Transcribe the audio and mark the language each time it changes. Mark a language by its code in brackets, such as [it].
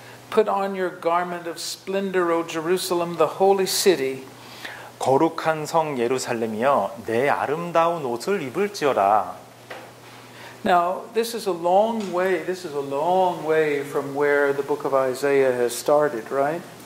[en] Put on your garment of splendor, O Jerusalem, the holy city. [ko] 거룩한 성 예루살렘이여 내 아름다운 옷을 입을지어다. [en] Now, this is a long way from where the book of Isaiah has started, right?